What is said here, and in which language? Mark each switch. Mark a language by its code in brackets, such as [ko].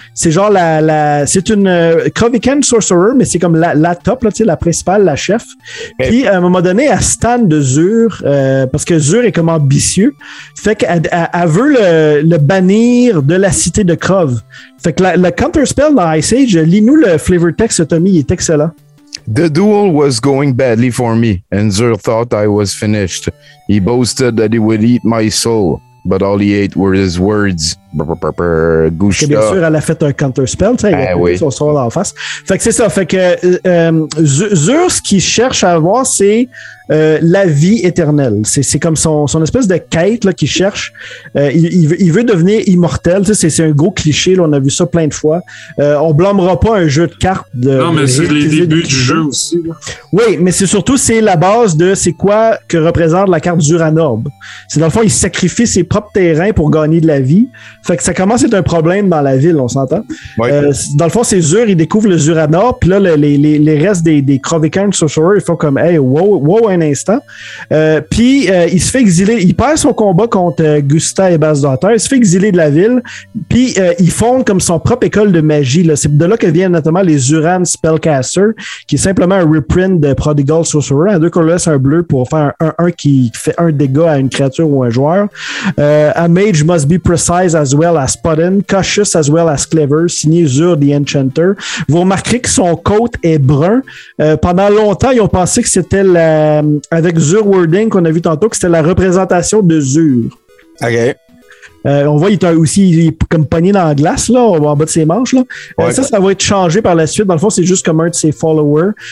[fr] C'est genre c'est une Krovican Sorcerer, mais c'est comme la top, là, tu sais, la principale, la chef. Puis, à un moment donné, elle stan de Zur, parce que Zur est comme ambitieux, fait qu'elle veut le bannir de la cité de Krov. Fait que le Counterspell dans Ice Age, lis-nous le flavor text, Tommy, il est excellent. [en] The duel was going badly for me, and Zur thought I was finished. He boasted that he would eat my soul, but all he ate were his words. [fr] Gouchia. Bien sûr, elle a fait un counterspell, tu sais, ben oui. Son sort en face. Fait que c'est ça. Fait que Zur, ce qu'il cherche à avoir, c'est la vie éternelle. C'est comme son espèce de quête là, qu'il cherche. Il veut devenir immortel. Tu sais, c'est un gros cliché. Là, on a vu ça plein de fois. On blâmera pas un jeu de cartes. Non, mais c'est les débuts du jeu aussi. Oui, mais c'est surtout la base de c'est quoi que représente la carte d'Uranorb. C'est dans le fond, il sacrifie ses propres terrains pour gagner de la vie. Fait que ça commence à être un problème dans la ville, on s'entend. Ouais. Dans le fond, c'est Zur, il découvre le Uranorb. Puis là, les restes des Krovikern Sorcerer, ils font comme hey, wow, un instant. Puis il se fait exiler, il perd son combat contre Gusta et Basdaughter, il se fait exiler de la ville, puis il fonde comme son propre école de magie. Là. C'est de là que viennent notamment les Uran Spellcaster, qui est simplement un reprint de Prodigal Sorcerer, à deux qu'on laisse un bleu pour faire un qui fait un dégât à une créature ou un joueur. [en] A mage must be precise as well as potent, cautious as well as clever, signé Zur the Enchanter. [fr] Vous remarquerez que son coat est brun. Pendant longtemps, ils ont pensé que c'était la avec Zur Wording qu'on a vu tantôt, que c'était la représentation de Zur. OK. On voit, il est comme pogné dans la glace, là, en bas de ses manches. Là. Ouais. Ça va être changé par la suite. Dans le fond, c'est juste comme un de ses followers.